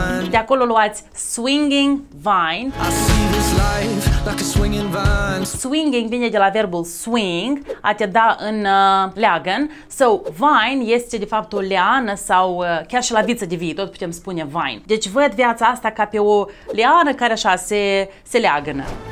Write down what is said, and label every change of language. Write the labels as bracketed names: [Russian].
[Romanian] De acolo luați swinging vine. [English] I see this life like a swinging vine. [Romanian] Swinging vine de la verbul swing, a te da în leagăn. So vine este de fapt o leană sau chiar și la viță de vie, tot putem spune vine. Deci văd viața asta ca pe o leană care așa se leagănă.